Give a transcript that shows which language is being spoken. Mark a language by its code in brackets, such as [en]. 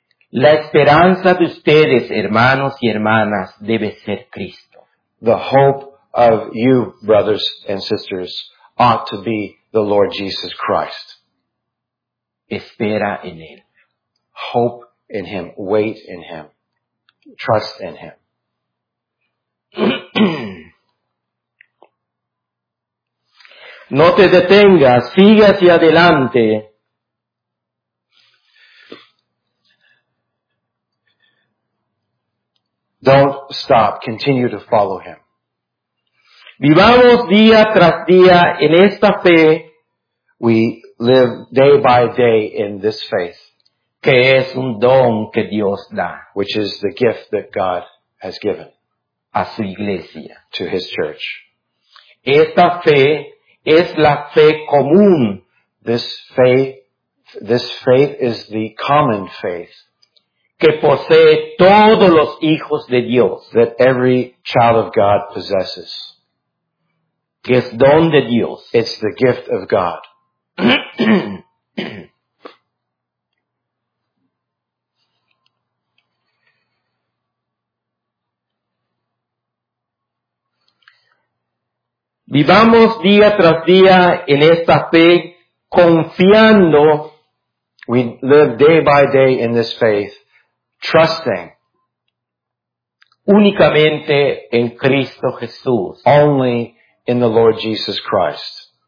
[es] La esperanza de ustedes, hermanos y hermanas, debe ser Cristo. [en] The hope of you, brothers and sisters, ought to be the Lord Jesus Christ. [es] Espera en Él. [en] Hope in Him. Wait in Him. Trust in Him. [es] No te detengas. Sigue hacia adelante. [en] Don't stop. Continue to follow Him. [es] Vivamos día tras día en esta fe. [en] We live day by day in this faith. [es] Que es un don que Dios da. [en] Which is the gift that God has given. [es] A su iglesia. [en] To His church. [es] Esta fe es la fe común. [en] This faith is the common faith. [es] Que posee todos los hijos de Dios. [en] That every child of God possesses. [es] Que es don de Dios. [en] It's the gift of God. [es] Vivamos día tras día en esta fe confiando. [en] We live day by day in this faith. Trusting [es] únicamente en Cristo Jesús, [en] only in the Lord Jesus Christ,